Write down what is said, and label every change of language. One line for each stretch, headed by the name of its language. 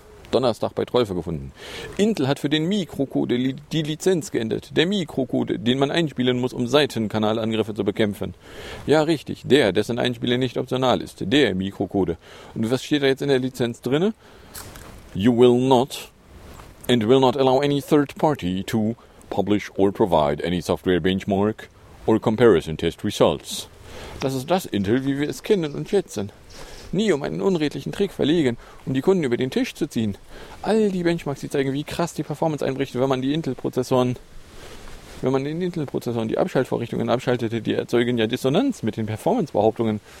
German: Donnerstag bei Trollfe gefunden. Intel hat für den Mikrocode die Lizenz geändert. Der Mikrocode, den man einspielen muss, um Seitenkanalangriffe zu bekämpfen. Ja, richtig. Der, dessen Einspielen nicht optional ist. Der Mikrocode. Und was steht da jetzt in der Lizenz drinne?
English: You will not and will not allow any third party to publish or provide any software benchmark or comparison test results.
German: Das ist das Intel, wie wir es kennen und schätzen. Nie um einen unredlichen Trick verlegen, um die Kunden über den Tisch zu ziehen. All die Benchmarks, die zeigen, wie krass die Performance einbricht, wenn man den Intel-Prozessoren die Abschaltvorrichtungen abschaltete, die erzeugen ja Dissonanz mit den Performance-Behauptungen.